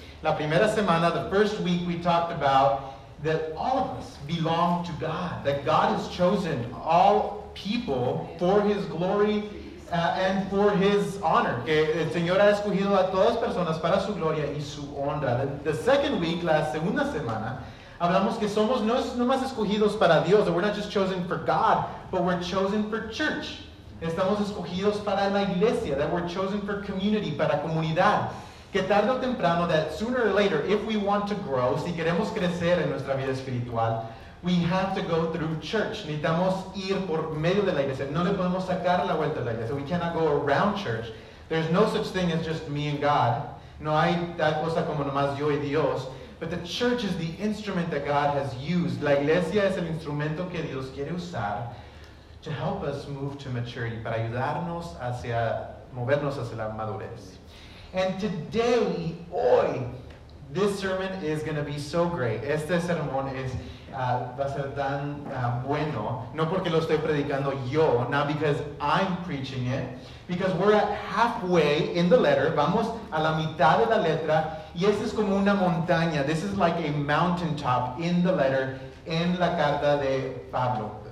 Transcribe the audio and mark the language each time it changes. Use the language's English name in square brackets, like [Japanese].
[Spanish] La primera semana, [English] the first week, we talked about that all of us belong to God, that God has chosen all people for His glory and for His honor. [Spanish] Que el Señor ha escogido a todas personas para su gloria y su honra. [English] The second week, [Spanish] la segunda semana, hablamos que somos no más escogidos para Dios, [English] that we're not just chosen for God, but we're chosen for church. [Spanish] Estamos escogidos para la iglesia, [English] that we're chosen for community, [Spanish] para comunidad. Que tarde o temprano, [English] that sooner or later, if we want to grow, [Spanish] si queremos crecer en nuestra vida espiritual, [English] we have to go through church. [Spanish] Necesitamos ir por medio de la iglesia. No le podemos sacar la vuelta a la iglesia. [English] We cannot go around church. There's no such thing as just me and God. [Spanish] No hay tal cosa como nomás yo y Dios. [English] But the church is the instrument that God has used. [Spanish] La iglesia es el instrumento que Dios quiere usar [English] to help us move to maturity, [Spanish] para ayudarnos hacia, movernos hacia la madurez. [English] And today, hoy, this sermon is going to be so great. [Spanish] Este sermón es... va a ser tan bueno, no porque lo estoy predicando yo, [English] not because I'm preaching it, because we're at halfway in the letter, [Spanish] vamos a la mitad de la letra, y esta es como una montaña, [English] this is like a mountaintop in the letter, [Spanish] en la carta de Pablo.